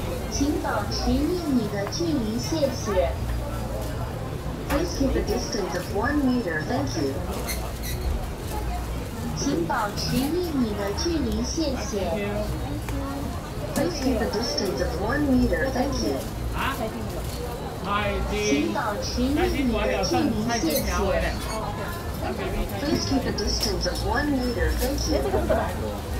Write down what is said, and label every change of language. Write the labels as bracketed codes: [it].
[zh] 请保持一米的距离，谢谢。 [en] Please keep a distance of 1 meter, thank you. [zh] 请保持一米的距离，谢谢。 [en] Please keep a distance of 1 meter, thank you. [zh] 请保持一米的距离，谢谢。 [en] Please keep a distance of 1 meter, thank you.